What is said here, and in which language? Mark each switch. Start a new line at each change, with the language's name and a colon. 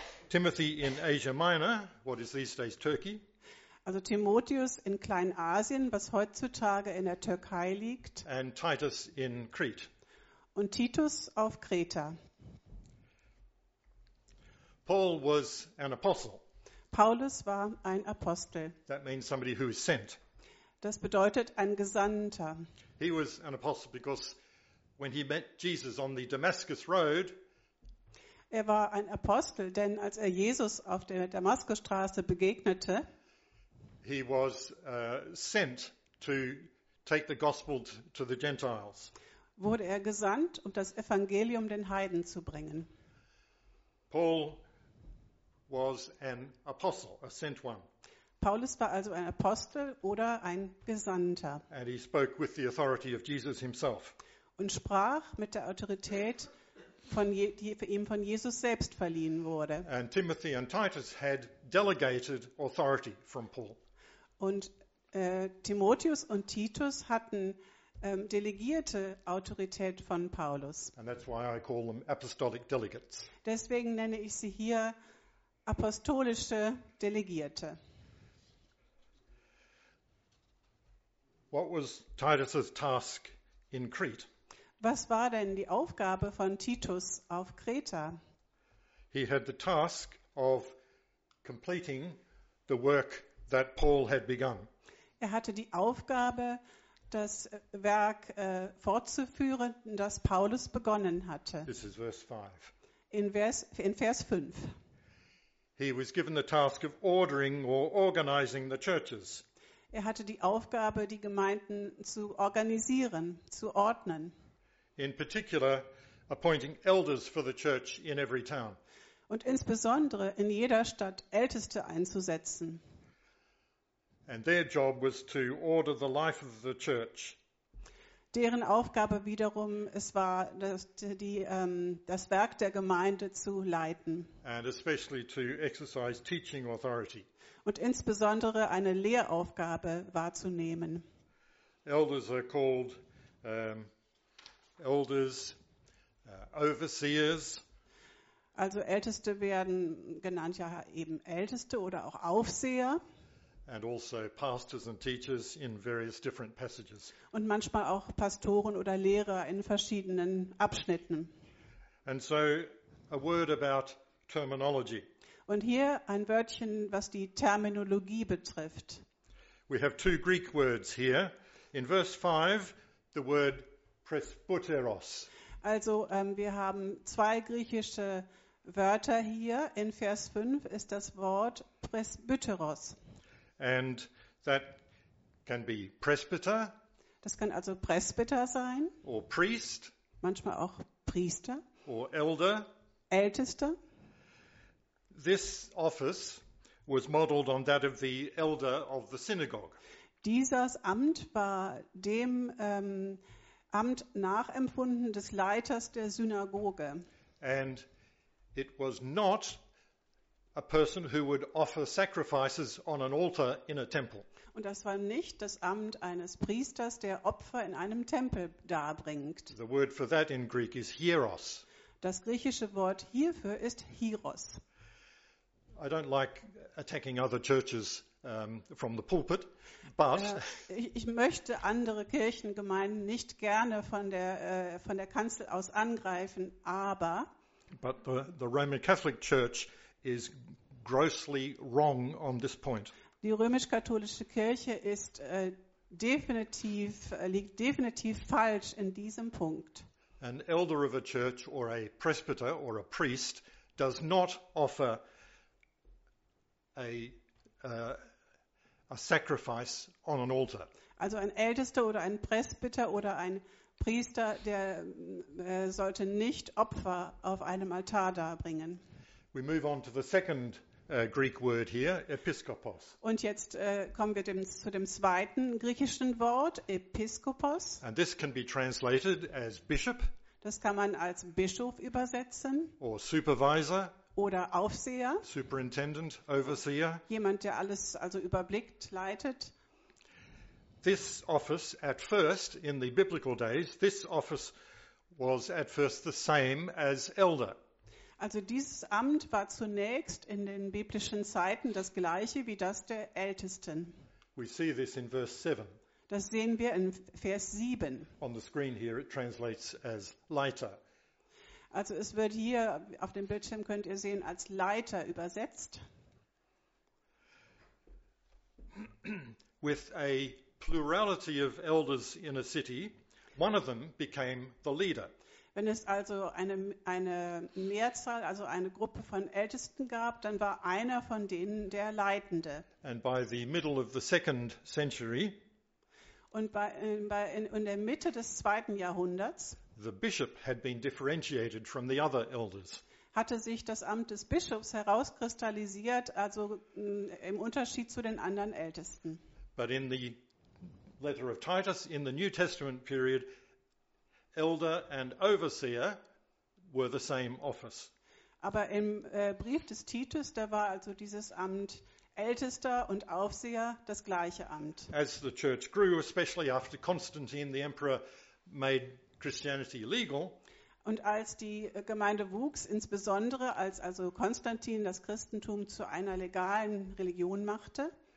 English: Timothy in Asia Minor, what is these days Turkey.
German: Also Timotheus in Kleinasien, was heutzutage in der Türkei liegt.
English: And Titus in Crete.
German: Und Titus auf Kreta.
English: Paul was an apostle.
German: Paulus war ein Apostel.
English: That means somebody who is sent.
German: Das bedeutet ein Gesandter.
English: He was an apostle because when he met Jesus on the Damascus Road.
German: Er war ein Apostel, denn als er Jesus auf der Damaskusstraße begegnete.
English: He was sent to take the gospel to the Gentiles.
German: wurde er gesandt, um das Evangelium den Heiden zu bringen.
English: Paul was an apostle, a sent one.
German: Paulus war also ein Apostel oder ein Gesandter.
English: And he spoke with the authority of Jesus himself.
German: Und sprach mit der Autorität, die ihm von Jesus selbst verliehen wurde.
English: And Timothy and Titus had delegated authority from Paul.
German: Und Timotheus und Titus hatten delegierte Autorität von Paulus.
English: And that's why I call them apostolic delegates.
German: Deswegen nenne ich sie hier apostolische Delegierte.
English: What was Titus's task in Crete?
German: Was war denn die Aufgabe von Titus auf Kreta?
English: He had the task of completing the work that Paul had begun.
German: Er hatte die Aufgabe, das Werk fortzuführen, das Paulus begonnen hatte.
English: This is verse 5.
German: In Vers 5.
English: He was given the task of ordering or organizing the churches.
German: Er hatte die Aufgabe, die Gemeinden zu organisieren, zu ordnen.
English: In particular, appointing elders for the church in every town.
German: Und insbesondere in jeder Stadt Älteste einzusetzen.
English: And their job was to order the life of the church.
German: Deren Aufgabe wiederum es war, das Werk der Gemeinde zu leiten.
English: And especially to exercise teaching authority.
German: Und insbesondere eine Lehraufgabe wahrzunehmen.
English: Elders are called elders, overseers.
German: Also Älteste werden genannt, ja eben Älteste oder auch Aufseher.
English: And also pastors and teachers in various different passages.
German: Und manchmal auch Pastoren oder Lehrer in verschiedenen Abschnitten.
English: And so a word about terminology.
German: Und hier ein Wörtchen, was die Terminologie betrifft.
English: We have two Greek words here. In verse 5, the word presbyteros.
German: Also wir haben zwei griechische Wörter hier. In Vers 5 ist das Wort presbyteros.
English: And that can be presbyter.
German: Das kann also Presbyter sein.
English: Or priest.
German: Manchmal auch Priester.
English: Or elder.
German: Ältester.
English: This office was modeled on that of the elder of the synagogue.
German: Dieses Amt war dem Amt nachempfunden des Leiters der Synagoge.
English: And it was not a person who would offer sacrifices on an altar in a temple.
German: Und das war nicht das Amt eines Priesters, der Opfer in einem Tempel darbringt.
English: The word for that in Greek is hieros.
German: Das griechische Wort hierfür ist hieros.
English: I don't like attacking other churches from the pulpit, but
German: ich möchte andere Kirchengemeinden nicht gerne von der Kanzel aus angreifen, aber
English: but the Roman Catholic Church is grossly wrong on this point.
German: Die römisch-katholische Kirche ist liegt definitiv falsch in diesem Punkt.
English: An elder of a church or a presbyter or a priest does not offer a sacrifice on an altar.
German: Also ein Ältester oder ein Presbyter oder ein Priester, der sollte nicht Opfer auf einem Altar darbringen.
English: We move on to the second Greek word here, episkopos.
German: Und jetzt kommen wir zu dem zweiten griechischen Wort, episkopos.
English: And this can be translated as bishop.
German: Das kann man als Bischof übersetzen.
English: Or supervisor.
German: Oder Aufseher.
English: Superintendent, overseer.
German: Jemand, der alles also überblickt, leitet.
English: This office at first, in the biblical days, this office was at first the same as elder.
German: Also dieses Amt war zunächst in den biblischen Zeiten das gleiche wie das der Ältesten.
English: We see this in verse 7.
German: Das sehen wir in Vers 7.
English: On the screen here it translates as leiter.
German: Also es wird hier auf dem Bildschirm, könnt ihr sehen, als Leiter übersetzt.
English: With a plurality of elders in a city, one of them became the leader.
German: Wenn es also eine Mehrzahl, also eine Gruppe von Ältesten gab, dann war einer von denen der Leitende.
English: And by the middle of the second century,
German: Und in der Mitte des zweiten Jahrhunderts
English: the bishop had been differentiated from the other elders.
German: Hatte sich das Amt des Bischofs herauskristallisiert, also im Unterschied zu den anderen Ältesten.
English: But in the letter of Titus in the New Testament period, elder and overseer were the same office.
German: Aber im Brief des Titus, da war also dieses Amt Ältester und Aufseher das gleiche Amt.
English: As the church grew, especially after Constantine the Emperor made Christianity legal.
German: Und als die Gemeinde wuchs, insbesondere als also Konstantin das Christentum zu einer legalen Religion machte,